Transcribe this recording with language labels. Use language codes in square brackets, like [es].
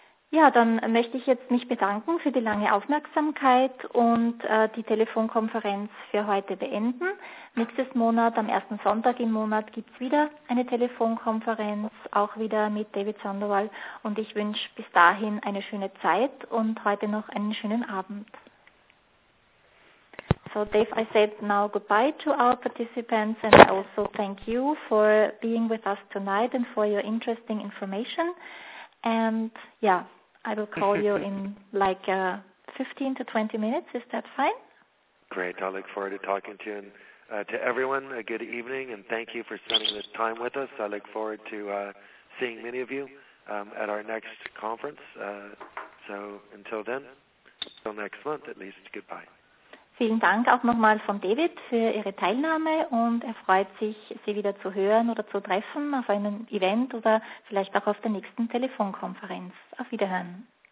[de] Ja, dann möchte ich jetzt mich bedanken für die lange Aufmerksamkeit und die Telefonkonferenz für heute beenden. Nächstes Monat, am ersten Sonntag im Monat, gibt's wieder eine Telefonkonferenz, auch wieder mit David Sandoval. Und ich wünsche bis dahin eine schöne Zeit und heute noch einen schönen Abend. [en] So Dave, I said now goodbye to our participants, and I also thank you for being with us tonight and for your interesting information. And yeah, I will call you in like 15 to 20 minutes. Is that fine? Great. I look forward to talking to you. And to everyone, a good evening, and thank you for spending this time with us. I look forward to seeing many of you at our next conference. So until then, till next month at least, goodbye. [de] Vielen Dank auch nochmal von David für Ihre Teilnahme und er freut sich, Sie wieder zu hören oder zu treffen auf einem Event oder vielleicht auch auf der nächsten Telefonkonferenz. Auf Wiederhören.